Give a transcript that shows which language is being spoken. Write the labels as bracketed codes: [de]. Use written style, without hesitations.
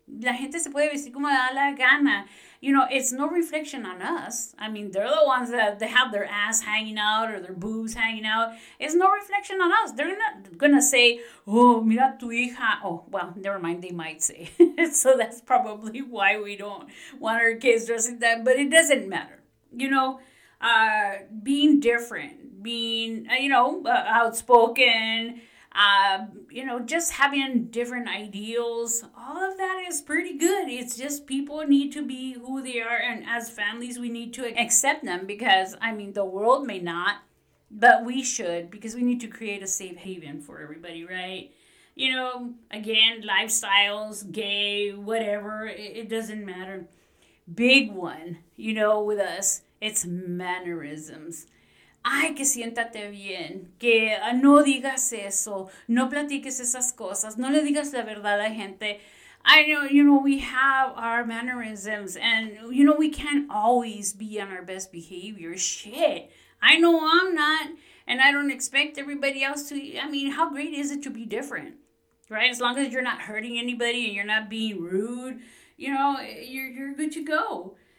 [es] La gente se puede vestir como da la gana. [en] You know, it's no reflection on us. I mean, they're the ones that they have their ass hanging out or their boobs hanging out. It's no reflection on us. They're not going to say, oh, [es] mira tu hija. [en] Oh, well, never mind. They might say. So that's probably why we don't want our kids dressing that. But it doesn't matter. You know, being different, being, you know, outspoken, you know, just having different ideals, all of that is pretty good. It's just people need to be who they are. And as families, we need to accept them because, I mean, the world may not, but we should because we need to create a safe haven for everybody, right? You know, again, lifestyles, gay, whatever, it doesn't matter. Big one, you know, with us, it's mannerisms. [es] Ay, que siéntate bien, que no digas eso, no platiques esas cosas, no le digas la verdad a la gente. [en] I know, you know, we have our mannerisms and, you know, we can't always be on our best behavior. Shit, I know I'm not and I don't expect everybody else to. I mean, how great is it to be different, right? As long as you're not hurting anybody and you're not being rude, you know, you're good to go.